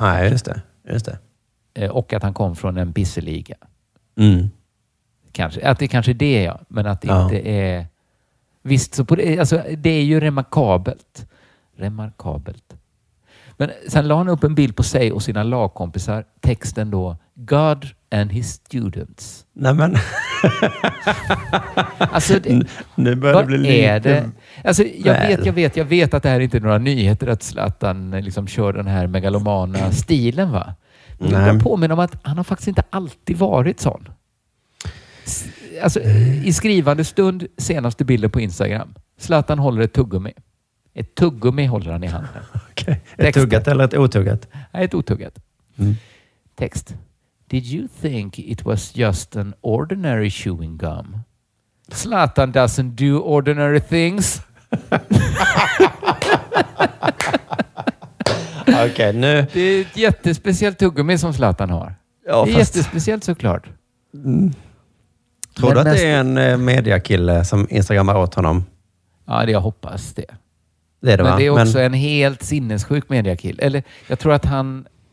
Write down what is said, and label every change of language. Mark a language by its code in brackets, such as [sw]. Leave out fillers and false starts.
[sv] Nej, just det. Och att han kom från en bisseliga. Mm. Kanske, att det kanske är det, ja. Men att det inte är... Visst, så på det, alltså, det är ju remarkabelt. Remarkabelt. Men sen la han upp en bild på sig och sina lagkompisar. Texten då, [en] God and his students. [sv] Nej, men... alltså, nu börjar det bli lite... Är det? Alltså, jag vet att det här är inte några nyheter att Zlatan liksom kör den här megalomana stilen, va? Men jag påminner om att han har faktiskt inte alltid varit sån. Alltså, i skrivande stund, senaste bilden på Instagram. Zlatan håller ett tuggummi. Ett tuggummi håller han i handen. [en] Okay. [sv] Ett tuggat eller ett otuggat? Nej, ett otuggat. Mm. Text. [en] Did you think it was just an ordinary chewing gum? Zlatan doesn't do ordinary things. [sv] Okej, nu... Det är ett jättespeciellt tuggummi som Zlatan har. Ja, det är jättespeciellt såklart. Mm. Tror du att det är en mediakille som instagrammar åt honom? Ja, det jag hoppas det. Det är det, men va? Det är också en helt sinnessjuk mediakille. Eller jag tror att han...